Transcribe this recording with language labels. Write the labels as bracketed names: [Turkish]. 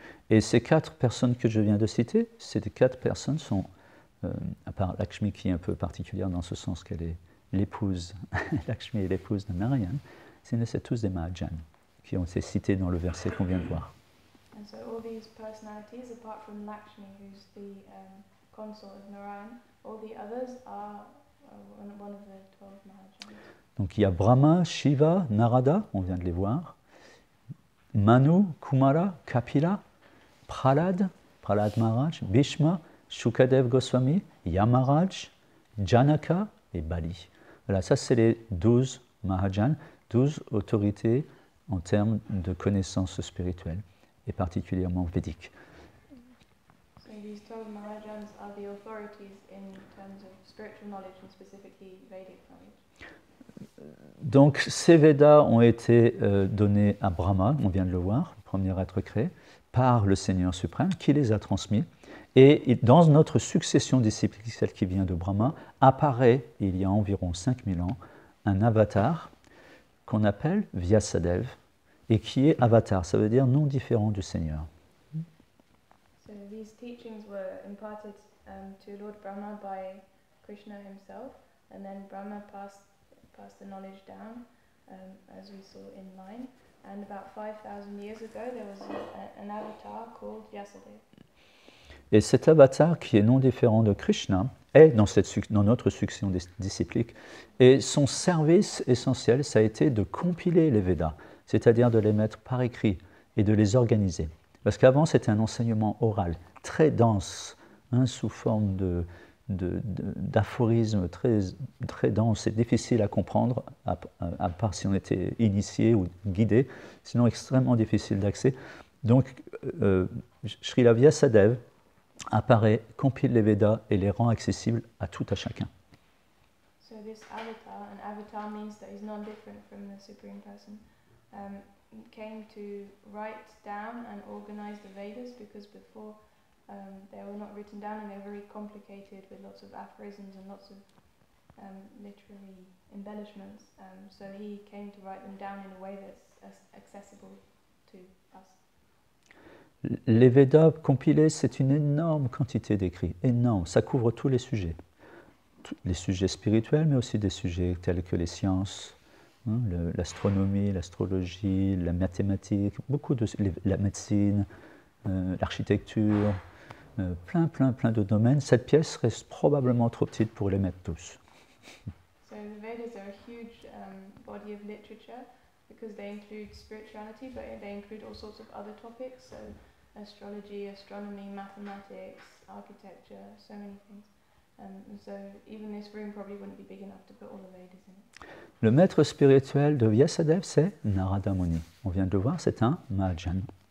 [French] Et ces quatre personnes que je viens de citer, ces quatre personnes sont, à part Lakshmi qui est un peu particulière dans ce sens qu'elle est l'épouse, Lakshmi est l'épouse de Narayan, ce ne sont tous des Mahajan qui ont été cités dans le verset qu'on vient de voir. [English] And so all these personalities, apart from Lakshmi, who's the consort of Narayan, all the others are one of the 12 Mahajan. [French] Donc il y a Brahma, Shiva, Narada, on vient de les voir. Manu, Kumara, Kapila, Prahlad Maharaj, Bhishma, Shukadev Goswami, Yamaraj, Janaka et Bali. Voilà, ça c'est les 12 Mahajan, 12 autorités en termes de connaissances spirituelles et particulièrement védiques. [English] So these 12 Mahajans are the authorities in terms of spiritual knowledge and specifically Vedic knowledge. [French] Donc, ces Védas ont été donnés à Brahma, on vient de le voir, le premier être créé, par le Seigneur Suprême, qui les a transmis. Et dans notre succession disciplique, celle qui vient de Brahma, apparaît, il y a environ 5000 ans, un avatar qu'on appelle Vyasadev, et qui est avatar, ça veut dire nom différent du Seigneur. [English] So, these teachings were imparted to Lord Brahma by Krishna himself, and then Brahma passed the knowledge down, as we saw in line. And about 5,000 years ago, there was an avatar called Vyasadeva. [French] Et cet avatar, qui est non différent de Krishna, est dans notre succession disciplique. Et son service essentiel, ça a été de compiler les Védas, c'est-à-dire de les mettre par écrit et de les organiser. Parce qu'avant, c'était un enseignement oral, très dense, hein, sous forme d'aphorismes très, très denses et difficiles à comprendre, à part si on était initié ou guidé, sinon extrêmement difficile d'accès. Donc, Srila Vyasadeva apparaît, compile les Védas et les rend accessibles à tout à chacun. [English] So this avatar, an avatar means that he's non-different from the Supreme Person, came to write down and organize the Vedas because before they were not written down and they were very complicated with lots of aphorisms and lots of literary embellishments. So he came to write them down in a way that's accessible to us. [French] Les Védas compilés, c'est une énorme quantité d'écrits, énorme. Ça couvre tous les sujets, les sujets spirituels, mais aussi des sujets tels que les sciences, hein, l'astronomie, l'astrologie, la mathématique, beaucoup de la médecine, l'architecture. Plein de domaines. Cette pièce reste probablement trop petite pour les mettre tous. [English] So the Vedas are a huge body of literature because they include spirituality, but they include all sorts of other topics, so astrology, astronomy, mathematics, architecture, so many things. So even this room probably wouldn't be big enough to put all the Vedas in it. [French] Le maître spirituel de Vyasadeva, c'est Narada Muni. On vient de le voir, c'est un Mahajan.